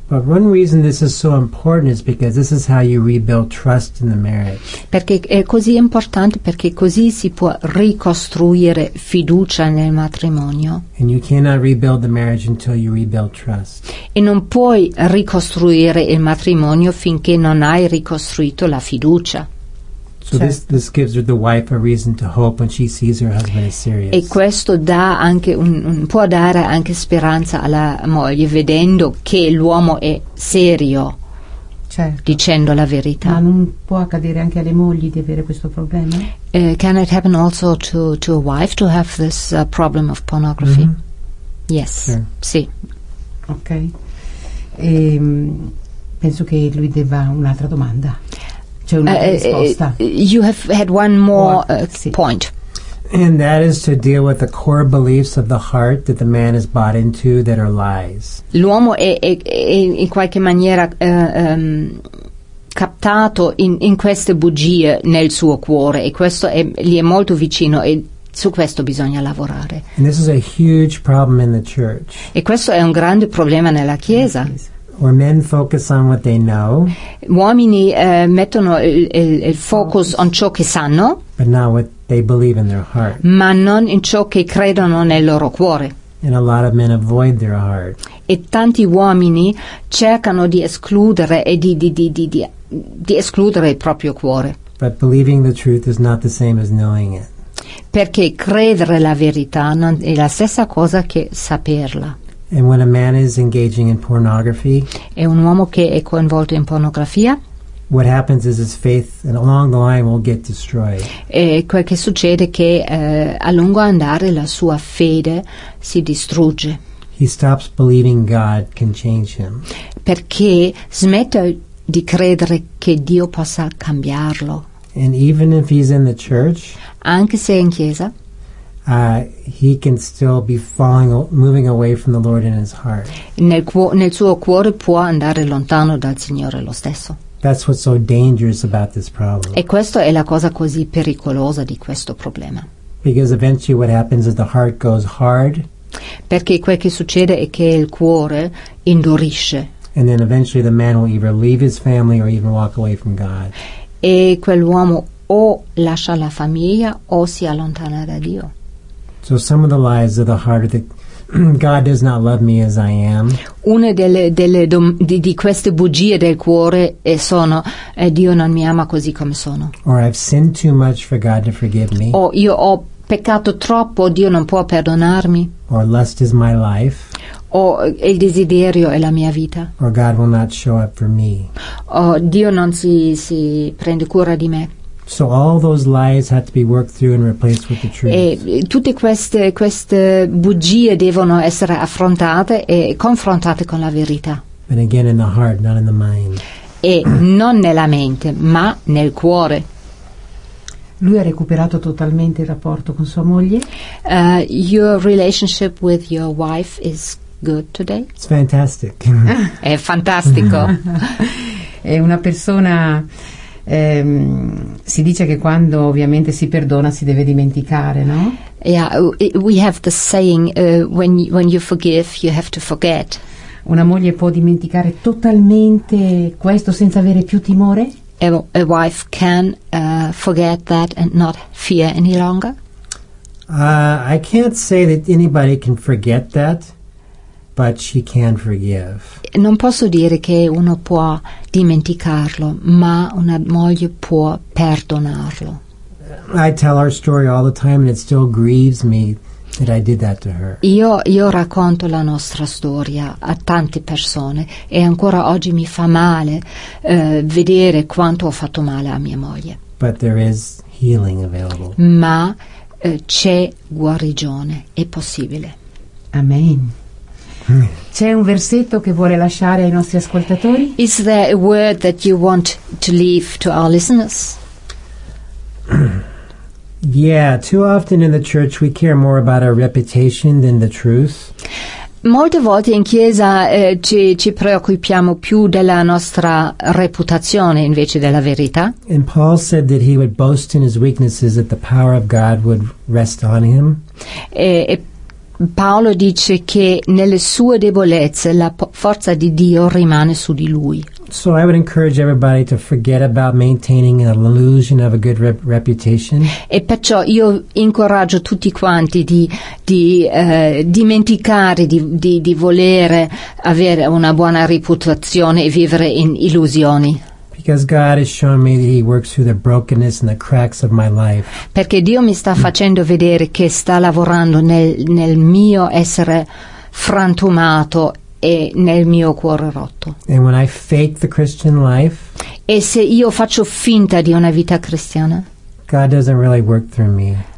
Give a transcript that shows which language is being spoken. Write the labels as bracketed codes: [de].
[en] But one reason this is so important is because this is how you rebuild trust in the marriage. [it] Perché è così importante perché così si può ricostruire fiducia nel matrimonio. [en] And you cannot rebuild the marriage until you rebuild trust. [it] E non puoi ricostruire il matrimonio finché non hai ricostruito la fiducia. So certo. [en] this gives the wife a reason to hope when she sees her husband is serious. [it] E questo dà anche un può dare anche speranza alla moglie vedendo che l'uomo è serio, certo. Dicendo la verità. Ma non può accadere anche alle mogli di avere questo problema? [en] Can it happen also to a wife to have this problem of pornography? Mm-hmm. Yes. Sure. [it] Sì. Ok. Penso che lui debba un'altra domanda. [en] You have had one more point. And that is to deal with the core beliefs of the heart that the man is bought into that are lies. [it] L'uomo è in qualche maniera captato in queste bugie nel suo cuore e questo gli è molto vicino e su questo bisogna lavorare. [en] And this is a huge problem in the church. [it] E questo è un grande problema nella Chiesa. [en] Where men focus on what they know. [it] Uomini mettono il focus on ciò che sanno. [en] But not what they believe in their heart. [it] Ma non in ciò che credono nel loro cuore. [en] And a lot of men avoid their heart. [it] E tanti uomini cercano di escludere e di escludere il proprio cuore. [en] But believing the truth is not the same as knowing it. [it] Perché credere la verità non è la stessa cosa che saperla. [en] And when a man is engaging in pornography, [it] e un uomo che è coinvolto in pornografia, [en] what happens is his faith along the line will get destroyed. [it] E quel che succede è che a lungo andare la sua fede si distrugge. [en] He stops believing God can change him. [it] Perché smette di credere che Dio possa cambiarlo. [en] And even if he's in the church, [it] anche se è in chiesa, [en] He can still be moving away from the Lord in his heart. [it] Nel suo cuore può andare lontano dal Signore lo stesso. [en] That's what's so dangerous about this problem. [it] E questa è la cosa così pericolosa di questo problema. [en] Because eventually what happens is the heart goes hard. [it] Perché quel che succede è che il cuore indurisce. [en] And then eventually the man will either leave his family or even walk away from God. [it] E quell'uomo o lascia la famiglia o si allontana da Dio. [en] So some of the lies of the heart are that God does not love me as I am. [it] Una di queste bugie del cuore sono Dio non mi ama così come sono. [en] Or I've sinned too much for God to forgive me. [it] O io ho peccato troppo, Dio non può perdonarmi. [en] Or lust is my life. [it] O il desiderio è la mia vita. [en] Or God will not show up for me. [it] O Dio non si prende cura di me. [en] So all those lies have to be worked through and replaced with the truth. [it] E tutte queste bugie devono essere affrontate e confrontate con la verità. [en] And again in the heart, not in the mind. [it] E non nella mente, ma nel cuore. Lui ha recuperato totalmente il rapporto con sua moglie. [en] Your relationship with your wife is good today? It's fantastic. [it] È fantastico. È una persona... si dice che quando ovviamente si perdona si deve dimenticare, no? [en] Yeah, we have the saying when you forgive you have to forget. [it] Una moglie può dimenticare totalmente questo senza avere più timore? [en] A wife can forget that and not fear any longer? I can't say that anybody can forget that, but she can forgive. [it] Non posso dire che uno può dimenticarlo, ma una moglie può perdonarlo. [en] I tell our story all the time and it still grieves me that I did that to her. [it] Io racconto la nostra storia a tante persone e ancora oggi mi fa male vedere quanto ho fatto male a mia moglie. [en] But there is healing available. [it] Ma c'è guarigione, è possibile. [en] Amen. [it] C'è un versetto che vuole lasciare ai nostri ascoltatori? [en] Is there a word that you want to leave to our listeners? Yeah, too often in the church we care more about our reputation than the truth. [it] Molte volte in chiesa ci preoccupiamo più della nostra reputazione invece della verità. [en] And Paul said that he would boast in his weaknesses that the power of God would rest on him. [it] E Paolo dice che nelle sue debolezze la forza di Dio rimane su di lui. [en] So I would encourage everybody to forget about maintaining an illusion of a good reputation. [it] E perciò io incoraggio tutti quanti dimenticare di volere avere una buona reputazione e vivere in illusioni. [en] Because God has shown me that He works through the brokenness and the cracks of my life. [it] Perché Dio mi sta facendo vedere che sta lavorando nel mio essere frantumato e nel mio cuore rotto. [en] And when I fake the Christian life, [it] e se io faccio finta di una vita cristiana, [en] God doesn't really work through me.